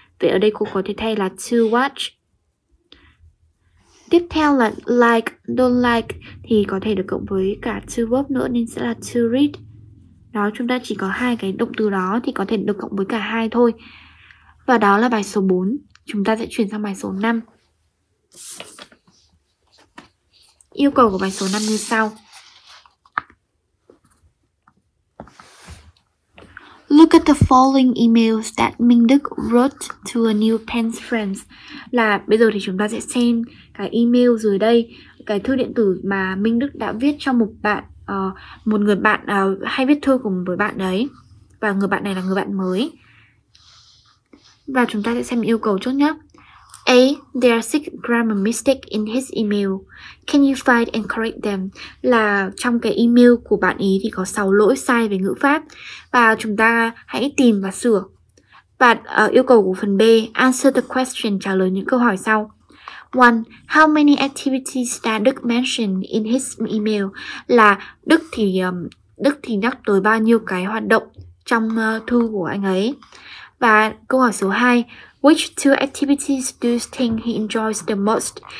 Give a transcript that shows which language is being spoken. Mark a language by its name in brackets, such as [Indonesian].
[Vietnamese] Vậy ở đây cô có thể thay là to watch. Tiếp theo là like, don't like, thì có thể được cộng với cả to verb nữa, nên sẽ là to read. Đó, chúng ta chỉ có hai cái động từ đó, thì có thể được cộng với cả hai thôi. Và đó là bài số 4. Chúng ta sẽ chuyển sang bài số 5. Yêu cầu của bài số 5 như sau. [English] Look at the following emails that Minh Đức wrote to a new pen friend. [Vietnamese] Là bây giờ thì chúng ta sẽ xem cái email dưới đây, cái thư điện tử mà Minh Đức đã viết cho một bạn, một người bạn hay viết thư cùng với bạn đấy. Và người bạn này là người bạn mới. Và chúng ta sẽ xem yêu cầu trước nhé. A. [English] There are 6 grammar mistakes in his email. Can you find and correct them? [Vietnamese] Là trong cái email của bạn ý thì có 6 lỗi sai về ngữ pháp. Và chúng ta hãy tìm và sửa. Và yêu cầu của phần B. [English] Answer the question, [Vietnamese] trả lời những câu hỏi sau. 1. [English] How many activities that Đức mentioned in his email? [Vietnamese] Là Đức thì nhắc tới bao nhiêu cái hoạt động trong thư của anh ấy. Và câu hỏi số 2. [English] Which two activities do you think he enjoys the most?